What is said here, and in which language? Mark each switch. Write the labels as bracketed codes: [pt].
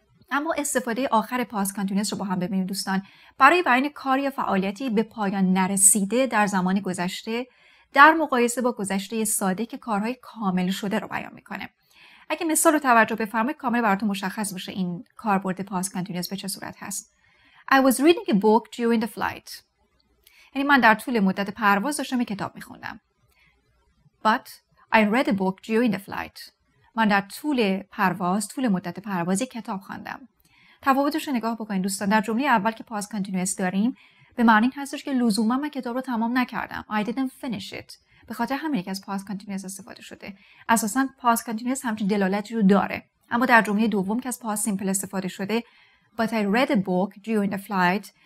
[fa] اما استفاده آخر پاس کانتینوس رو با هم ببینیم دوستان. برای بیان کار یا فعالیتی به پایان نرسیده در زمان گذشته در مقایسه با گذشته ساده که کارهای کامل شده رو بیان میکنه. اگه مثال رو توجه بفرمایید کامل براتون مشخص میشه این کاربرد پاس کانتینوس به چه صورت هست. [en] I was reading a book during the flight. [fa] یعنی من در طول مدت پرواز داشتم کتاب میخوندم. [en] But I read a book during the flight. [fa] من در طول پرواز، طول مدت پرواز یک کتاب خواندم. تفاوتش رو نگاه بکنید دوستان. در جمله اول که پاس کانتینوس داریم، به معنی هستش که لزوما من کتاب رو تمام نکردم. [en] I didn't finish it. [fa] به خاطر همین یکی از past continuous استفاده شده. اساساً past continuous همچین دلالتی رو داره. اما در جمله دوم که از past simple استفاده شده، [en] But I read a book during the flight.